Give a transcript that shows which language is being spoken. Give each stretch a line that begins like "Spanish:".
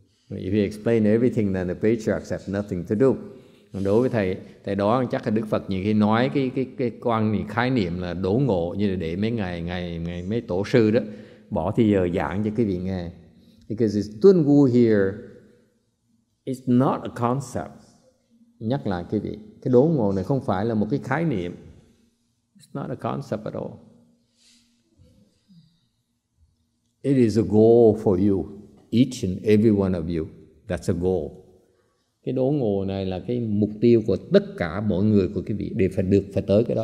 English: If he explained everything, then the patriarchs have nothing to do.
Vietnamese: Đối với thầy đó chắc là Đức Phật nhiều khi nói cái quan niệm khái niệm là đốn ngộ như là để mấy ngày mấy tổ sư đó bỏ thì giờ giảng cho quý vị nghe.
English: Because it's tuân vu here, it's not a concept.
Vietnamese: Nhắc lại quý vị, cái đốn ngộ này không phải là một cái khái niệm.
English: Not a concept at all. It is a goal for you, each and every one of you. That's a goal.
Vietnamese: Cái đốn ngộ này là cái mục tiêu của tất cả mọi người của quý vị để phải được phải tới cái đó.